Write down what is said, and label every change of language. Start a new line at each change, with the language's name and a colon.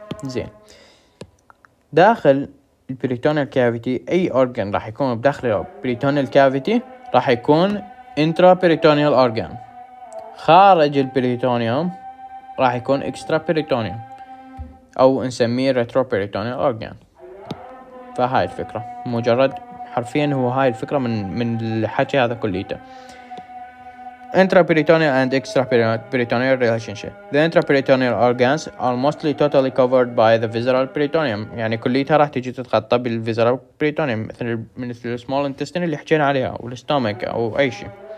Arabic: زين داخل البريتونال كافيتي اي اورجان راح يكون بداخل البريتونال كافيتي راح يكون انترا بريتونال اورجان، خارج البريتونيوم راح يكون اكسترا بريتونيوم او نسميه ريترو بريتونال اورجان. فهاي الفكره مجرد حرفيا هو هاي الفكره من الحكي هذا كليته.
English: Intraperitoneal and extraperitoneal relationship. The intraperitoneal organs are mostly totally covered by the visceral peritoneum.
Arabic: يعني كليتها راح تيجي تتغطى بالvisceral peritoneum مثل small intestine اللي حكينا عليها والstomach أو أي شيء.